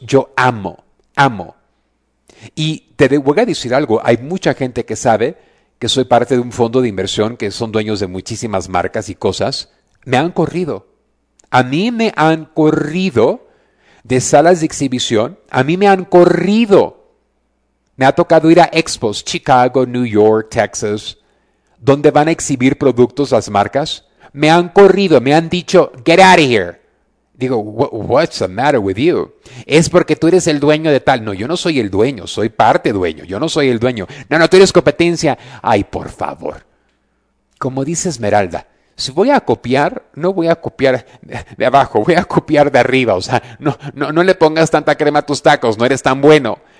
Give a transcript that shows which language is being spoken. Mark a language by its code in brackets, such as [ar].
[es] Yo amo, amo. Y te voy a decir algo, hay mucha gente que sabe que soy parte de un fondo de inversión que son dueños de muchísimas marcas y cosas, me han corrido. A mí me han corrido de salas de exhibición. A mí me han corrido. Me ha tocado ir a expos, Chicago, New York, Texas, donde van a exhibir productos las marcas. Me han corrido, me han dicho, [en] get out of here. [es] Digo, [en] what's the matter with you? [es] Es porque tú eres el dueño de tal. No, yo no soy el dueño, soy parte dueño. Yo no soy el dueño. No, no, tú eres competencia. Ay, por favor. Como dice Esmeralda, si voy a copiar, no voy a copiar de abajo, voy a copiar de arriba. O sea, no le pongas tanta crema a tus tacos, no eres tan bueno.